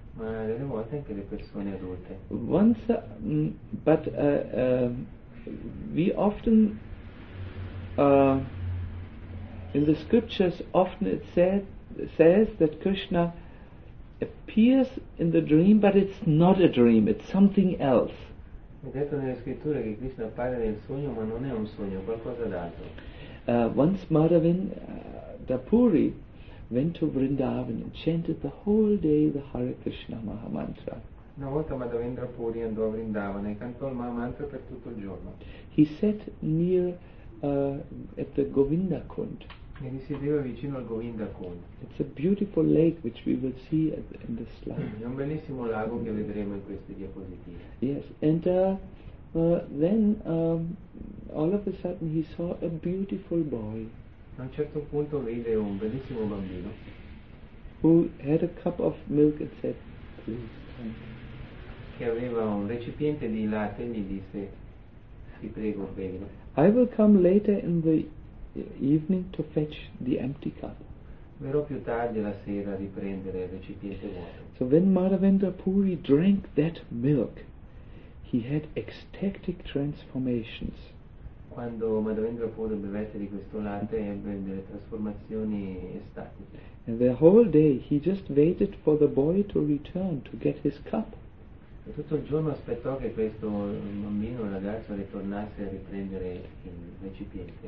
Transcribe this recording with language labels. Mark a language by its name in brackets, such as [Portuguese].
[Italian] Ma delle volte anche le persone adulte. [English] We often in the scriptures often it says that Krishna appears in the dream, but it's not a dream, it's something else. [Italian] È detto nelle scritture che Krishna appare nel sogno, ma non è un sogno, è qualcosa d'altro. [English] Once Madhavin Dapuri went to Vrindavan and chanted the whole day the Hare Krishna Maha Mantra. [Italian] Una volta Madhavendra Puri andò a Vrindavana e cantò il Mahamantra per tutto il giorno. [English] He sat near at the Govinda Kund. [Italian] E risiedeva vicino al Govinda Kund. [English] It's a beautiful lake which we will see at the, in the slide. [Italian] È un bellissimo lago che vedremo in queste diapositive. [English] Yes, and all of a sudden he saw a beautiful boy. [Italian] A un certo punto vide un bellissimo bambino. [English] Who had a cup of milk and said, please. [Italian] Che aveva un recipiente di latte e gli disse ti prego bevilo. [English] I will come later in the evening to fetch the empty cup. [Italian] Verrò più tardi la sera a riprendere il recipiente vuoto. [English] So when Madhavendra Puri drank that milk he had ecstatic transformations. [Italian] Quando Madhavendra Puri bevette di questo latte ebbe delle trasformazioni estatiche. [English] And the whole day he just waited for the boy to return to get his cup. [Italian] E tutto il giorno aspettò che questo bambino, ragazzo, ritornasse a riprendere il recipiente.